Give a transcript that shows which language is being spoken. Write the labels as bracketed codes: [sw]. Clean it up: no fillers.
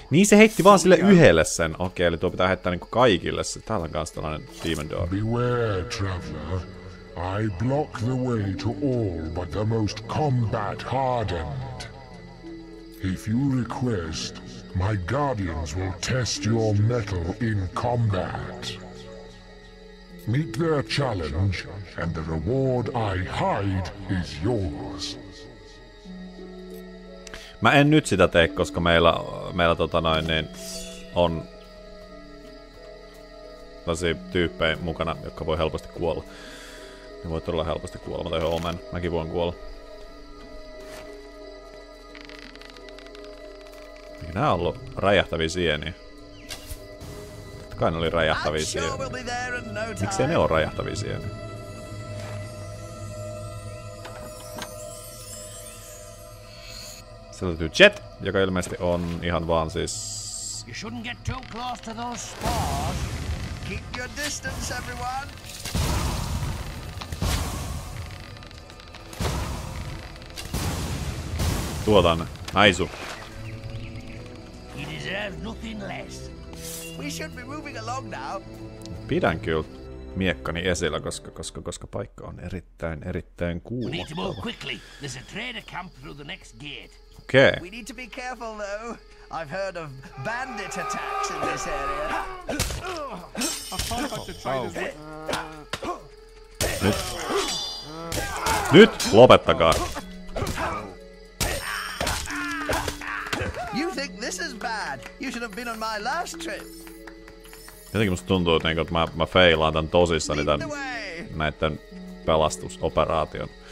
[fi] Niin se heitti vaan sille yhdelle sen. Okei, eli tuo pitää heittää niinku kaikille. Täällä on kans tällainen Demon Dog. [en] Beware, traveler. I block the way to all but the most combat hardened. If you request, my guardians will test your mettle in combat. Meet their challenge, and the reward I hide is yours. [fi] Mä en nyt sitä tee, koska meillä tota noin, niin on tällaisia tyyppejä mukana, jotka voi helposti kuolla. Ne voi todella helposti kuolla, mutta joo, mäkin voin kuolla. Eikä nää ollu räjähtäviä sieniä. Totta kai ne oli räjähtäviä sieniä. Miksei ne oo räjähtäviä sieniä? Sieltä löytyy Jet, joka ilmeisesti on ihan vaan siis... [en] You shouldn't get too close to those spores. Keep your distance, everyone! [fi] Tuo tänne. Aisu. [en] He deserves nothing less. We should be moving along now. [fi] Pidän kyllä miekkani esillä, koska paikka on erittäin kuumottava. [en] We need to move quickly. There's a trader camp through the next gate. Okay. We need to be careful though. I've heard of bandit attacks in this area. [fi] Nyt lopettakaa. [en] You think this is bad? You should have been on my last trip. [fi] Jotenkin musta tuntuu, että mä feilaan tän tosissani tän näitten pelastusoperaation.